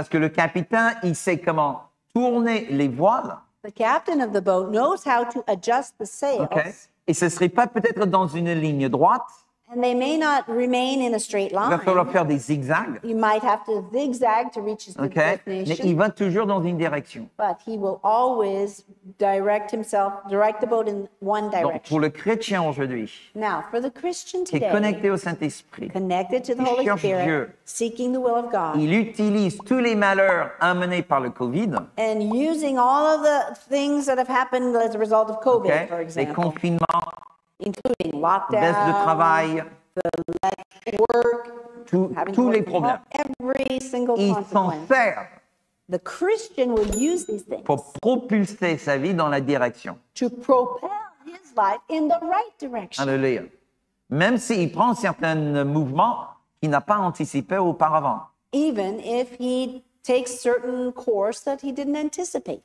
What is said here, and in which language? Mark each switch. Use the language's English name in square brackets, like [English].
[French] Parce que le capitaine, il sait comment tourner les voiles. [English] The captain of the boat knows how to adjust the sails. Okay. [French] Et ce ne serait pas peut-être dans une ligne droite. [English] And they may not remain in a straight line. [French] Il va falloir faire des zigzags. [English] You might have to zigzag to reach his destination. [French] Mais il va toujours dans une direction. [English] But he will always direct the boat in one direction. [French] Donc, pour le chrétien aujourd'hui, [English] now, for the Christian today, [French] qui est connecté au Saint-Esprit, [English] connected to the Holy Spirit, [French] Dieu, [English] seeking the will of God, [French] il utilise tous les malheurs amenés par le COVID, [English] and using all of the things that have happened as a result of COVID, for example, [French] les confinements, [English] including lockdown, [French] baisse de travail, [English] the lack of work, [French] tous les problèmes. [English] Every single [French] il s'en sert. [English] The Christian will use these things [French] pour propulser sa vie dans la direction. [English] To propel his life in the right direction. [French] Alléluia. Même s'il prend certains mouvements qu'il n'a pas anticipé auparavant. [English] Even if he takes certain course that he didn't anticipate.